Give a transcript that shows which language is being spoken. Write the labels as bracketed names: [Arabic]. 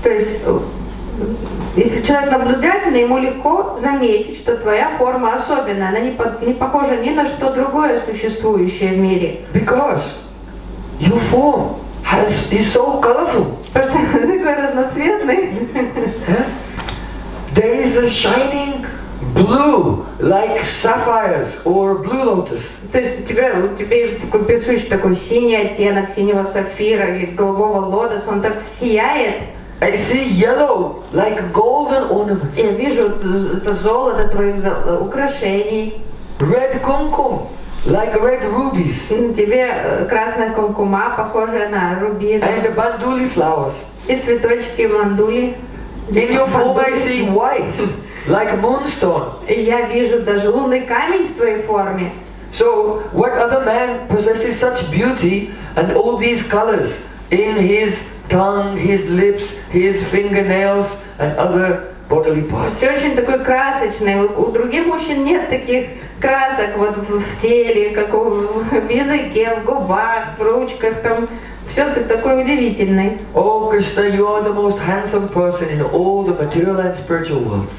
[Russian] То есть, если человек наблюдательный, ему легко заметить, что твоя форма особенная, она не похожа ни на что другое существующее в мире. [English] Because your form is so colorful. [Russian] Просто такой разноцветный. [English] There is a shining blue, like sapphires or blue lotus. [Russian] То есть у тебя такой присущий такой синий оттенок синего сапфира или голубого лотоса, он так сияет. [English] I see yellow, like golden ornaments. [Russian] Я вижу это золото твоих украшений. [English] Red kumkum. Like red rubies. [Russian] Тебе красная кумкума похожая на рубины. [English] And the banduli flowers. [Russian] И цветочки мандули. [English] In your form I see white, like moonstone. [Russian] Я вижу даже лунный камень в твоей форме. [English] So what other man possesses such beauty and all these colors in his tongue, his lips, his fingernails and other bodily parts? [Russian] Ты очень такой красочный. У других мужчин нет таких красок вот в теле, как в языке, в губах, в ручках, там все ты такой удивительный. [English] О, Кришна, you are the most handsome person in all the material and spiritual worlds.